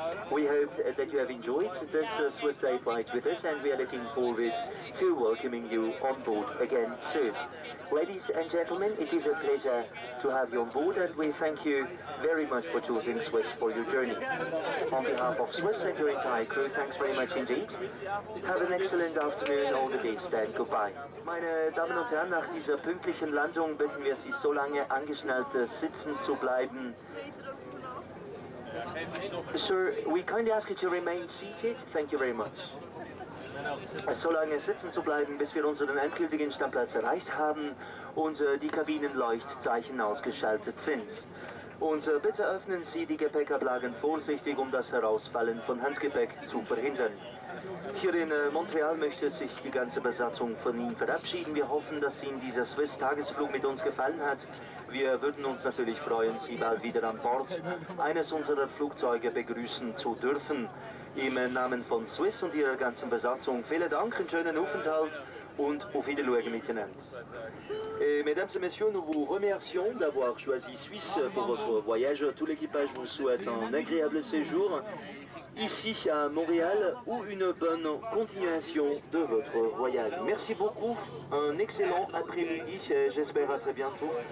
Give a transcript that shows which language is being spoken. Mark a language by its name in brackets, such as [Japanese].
[English] We hope that you have enjoyed this Swiss day flight with us, and we are looking forward to welcoming you on board again soon. Ladies and gentlemen, it is a pleasure to have you on board, and we thank you very much for choosing Swiss for your journey. On behalf of Swiss and your entire crew, thanks very much indeed. Have an excellent afternoon, all the best, and goodbye. [German] Meine Damen und Herren, nach dieser pünktlichen Landung bitten wir Sie, so lange angeschnallt sitzen zu bleiben. [English] Sir, we kindly ask you to remain seated. Thank you very much. [German] So lange sitzen zu bleiben, bis wir unseren endgültigen Standplatz erreicht haben und die Kabinenleuchtzeichen ausgeschaltet sind. Und bitte öffnen Sie die Gepäckablagen vorsichtig, um das Herausfallen von Handgepäck zu verhindern. Hier in Montreal möchte sich die ganze Besatzung von Ihnen verabschieden. Wir hoffen, dass Ihnen dieser Swiss-Tagesflug mit uns gefallen hat. Wir würden uns natürlich freuen, Sie bald wieder an Bord eines unserer Flugzeuge begrüßen zu dürfen. Im Namen von Swiss und Ihrer ganzen Besatzung vielen Dank, einen schönen Aufenthalt und auf Wiedersehen miteinander. [French] Mesdames et Messieurs, nous vous remercions d'avoir choisi Suisse pour votre voyage. Tout l'équipage vous souhaite un agréable séjour ici à Montréal ou une bonne continuation de votre voyage. Merci beaucoup, un excellent après-midi, j'espère à très bientôt.